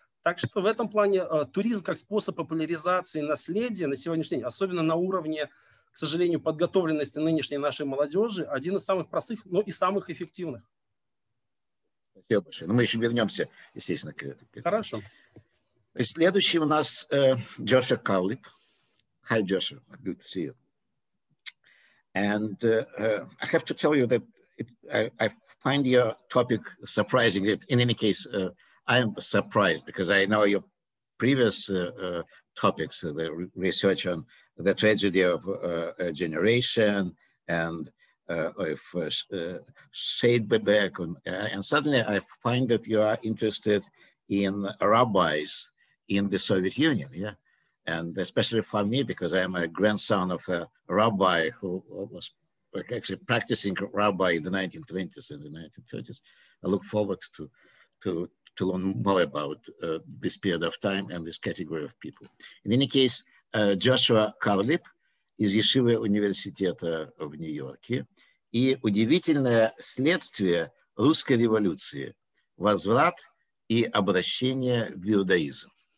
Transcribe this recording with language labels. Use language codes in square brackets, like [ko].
[ru] Так что в этом плане туризм как способ популяризации наследия на сегодняшний день, особенно на уровне, к сожалению, подготовленности нынешней нашей молодежи, один из самых простых, но и самых эффективных. Спасибо большое. Ну, мы еще вернемся, естественно, к этому. Хорошо. Следующий у нас Джоша Каулип. [en] Hi, Joshua. Good to see you. And I have to tell you that I find your topic surprising. In any case, I am surprised because I know your previous topics, the research on the tragedy of a generation and Shadbeck, and suddenly I find that you are interested in rabbis in the Soviet Union, yeah? And especially for me, because I am a grandson of a rabbi who was actually practicing rabbi in the 1920s and the 1930s. I look forward to learn more about this period of time and this category of people. In any case, [ru] Джошуа Карлип из Ешивы университета в Нью-Йорке и удивительное следствие русской революции – возврат и обращение в иудаизм.